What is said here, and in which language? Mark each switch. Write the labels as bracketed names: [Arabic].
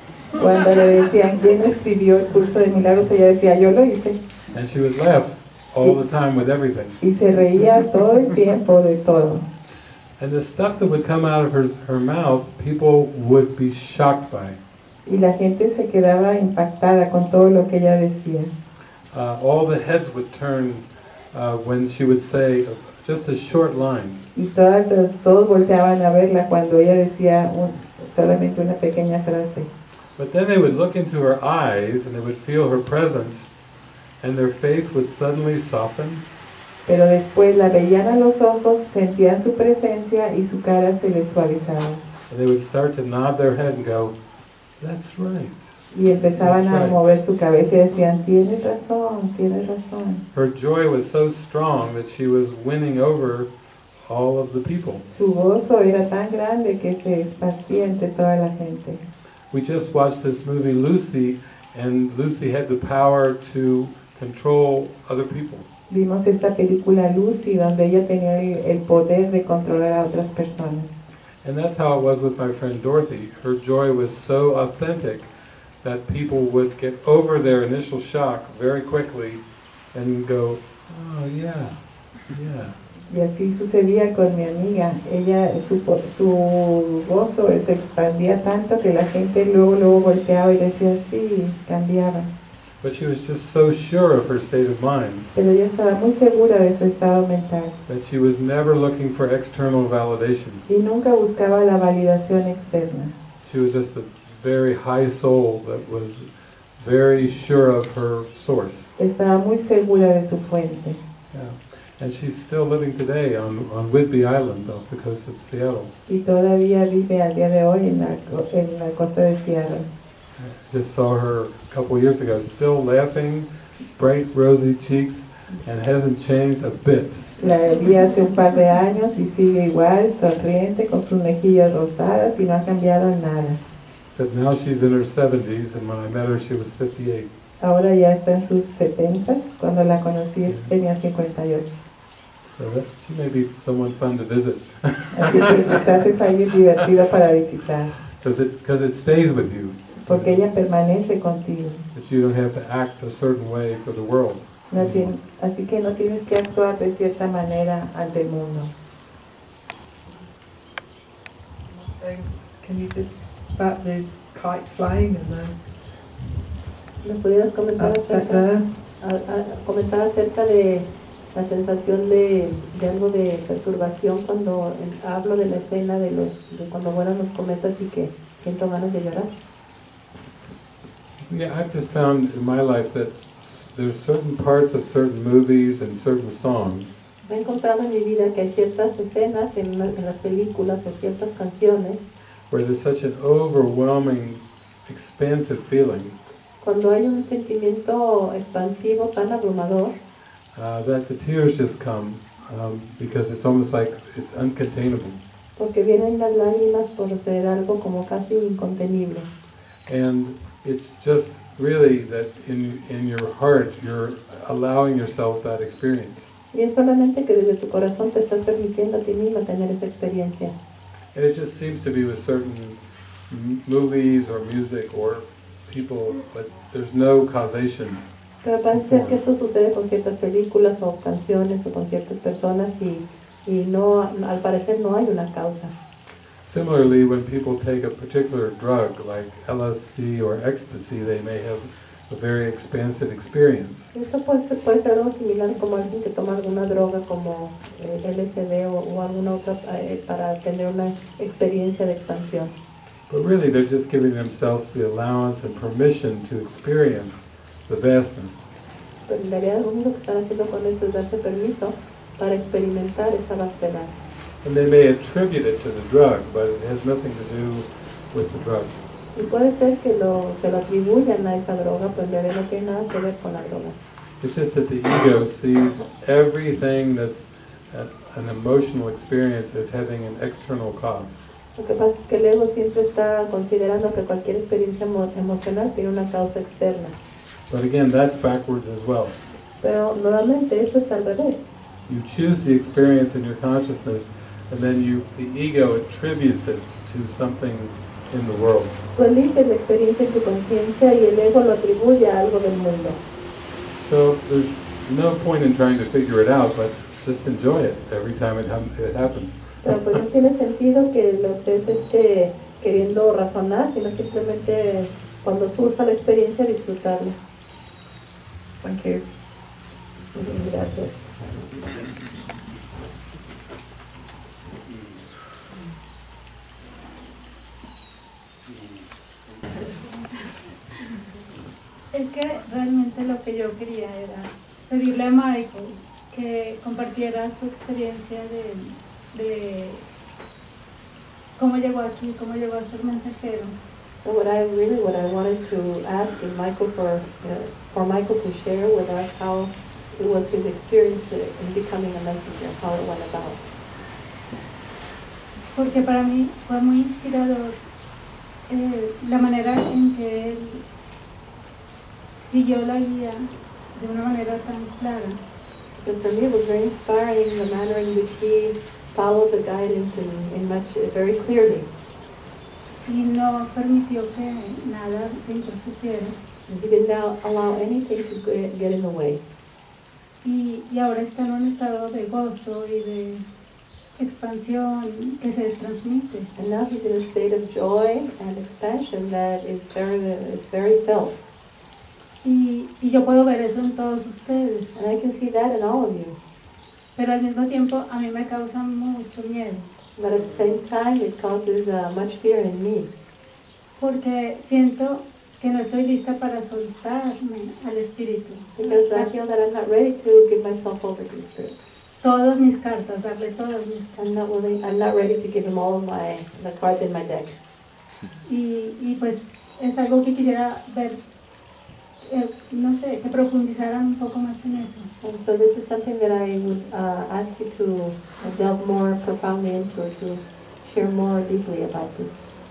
[Spanish] Cuando le decían quién escribió el curso de milagros, ella decía, "Yo lo hice." [English] And she would laugh all the time with everything. [Spanish] Y se reía todo el tiempo de todo. [English] And the stuff that would come out of her mouth, people would be shocked by. [Spanish] Y la gente se quedaba impactada con todo lo que ella decía. [English] All the heads would turn when she would say just a short line. [Spanish] Y todos volteaban a verla cuando ella decía solamente una pequeña frase. [English] But then they would look into her eyes and they would feel her presence and their face would suddenly soften. [Spanish] Pero después la veían a los ojos, sentían su presencia y su cara se les suavizaba. [English] And they would start to nod their head and go, "That's right." [Spanish] Y empezaban [English] That's a right. [Spanish] mover su cabeza y decían, "Tienes razón, tienes razón." [English] Her joy was so strong that she was winning over all of the people. [Spanish] Su gozo era tan grande que se esparcía entre toda la gente. [English] We just watched this movie Lucy, and Lucy had the power to control other people. [Spanish] Vimos esta película Lucy donde ella tenía el poder de controlar a otras personas. [English] And that's how it was with my friend Dorothy. Her joy was so authentic that people would get over their initial shock very quickly and go, "Oh yeah, yeah." [Spanish] Y así sucedía con mi amiga. Ella, su gozo se expandía tanto que la gente luego volteaba y decía, sí, cambiaba. [English] But she was just so sure of her state of mind. [Spanish] Pero ella estaba muy segura de su estado mental. [English] That she was never looking for external validation. [Spanish] Y nunca buscaba la validación externa. [English] She was just a very high soul that was very sure of her source. [Spanish] Estaba muy segura de su fuente. [English] Yeah. And she's still living today on Whidbey Island off the coast of Seattle. [Spanish] Y todavía vive al día de hoy en la costa de Seattle. [English] I just saw her a couple years ago, still laughing, bright rosy cheeks, and hasn't changed a bit. [Spanish] La vi hace un par de años y sigue igual, sonriente, con sus mejillas rosadas y no ha cambiado nada. [English] Said now she's in her 70s, and when I met her, she was 58. [Spanish] Ahora ya está en sus 70s. Cuando la conocí, yeah. Tenía 58. [English] So that, she may be someone fun to visit. [Spanish] Así que quizás es alguien divertido para visitar. [English] Because it stays with you. [Spanish] Porque ella permanece contigo. [English] But you don't have to act a certain way for the world. [Spanish] Así que no tienes que actuar de cierta manera ante el mundo. [English] Can you just bat the kite flying and then... [Spanish] ¿Me pudieras comentar acerca de la sensación de algo de perturbación cuando hablo de la escena de cuando vuelan los cometas y que siento ganas de llorar? [English] Yeah, I've just found in my life that there's certain parts of certain movies and certain songs. [Spanish] Me he encontrado en mi vida que hay ciertas escenas en las películas o ciertas canciones [English] where there's such an overwhelming, expansive feeling. [Spanish] Cuando hay un sentimiento expansivo tan abrumador, [English] that the tears just come because it's almost like it's uncontainable. [Spanish] Porque vienen las lágrimas por ser algo como casi incontenible. [English] And it's just really that in your heart you're allowing yourself that experience. [Spanish] Y es solamente que desde tu corazón te estás permitiendo a ti mismo tener esa experiencia. [English] And it just seems to be with certain movies or music or people, but there's no causation. [Spanish] Pero parece ser que esto sucede con ciertas películas o canciones o con ciertas personas y no, al parecer no hay una causa. [English] Similarly, when people take a particular drug like LSD or ecstasy, they may have a very expansive experience. [Spanish] Esto puede ser algo similar como alguien que toma alguna droga como LSD o alguna otra para tener una experiencia de expansión. [English] But really, they're just giving themselves the allowance and permission to experience the vastness. And they may attribute it to the drug, but it has nothing to do with the drug. [Spanish] Y puede ser que se lo atribuyan a esa droga, pero en realidad no tiene nada que ver con la droga. [English] It's just that the ego sees everything that's an emotional experience as having an external cause. [Spanish] Lo que pasa es que el ego siempre está considerando que cualquier experiencia emocional tiene una causa externa. [English] But again, that's backwards as well. [Spanish] Pero nuevamente esto está al revés. [English] You choose the experience in your consciousness, and then the ego attributes it to something in the world. [Spanish] Tú eliges la experiencia en tu conciencia y el ego lo atribuye a algo del mundo. [English] So there's no point in trying to figure it out, but just enjoy it every time it happens. [Spanish] Pero pues no tiene sentido que lo estés queriendo razonar, sino simplemente cuando surja la experiencia disfrutarla. [English] Thank you. [Spanish] Gracias. Es que realmente lo que yo quería era pedirle a Michael que compartiera su experiencia de cómo llegó aquí, cómo llegó a ser mensajero. [English] So what I wanted to ask is Michael for Michael to share with us how it was his experience in becoming a messenger, how it went about. [Spanish] Porque para mí fue muy inspirador la manera en que él siguió la guía de una manera tan clara. [English] Because for me it was very inspiring the manner in which he followed the guidance very clearly. [Spanish] Y no permitió que nada se interpusiera. [English] And he did not allow anything to get in the way. [Spanish] Y ahora está en un estado de gozo y de expansión que se transmite. [English] And now he's in a state of joy and expansion that is very felt. [Spanish] Y yo puedo ver eso en todos ustedes. [English] And I can see that in all of you. [Spanish] Pero al mismo tiempo a mí me causa mucho miedo. [English] But at the same time it causes much fear in me. [Spanish] Porque siento que no estoy lista para soltarme al espíritu. [English] Because I feel that I'm not ready to give myself over to the spirit. [Spanish] Todas mis cartas, darle todas mis cartas. [English] I'm not ready to give him all of the cards in my deck. [Spanish] Y pues es algo que quisiera ver. No sé, que profundizara un poco más en eso. [English] And so this is something that I would ask you to delve more profoundly into, or to share more deeply about this.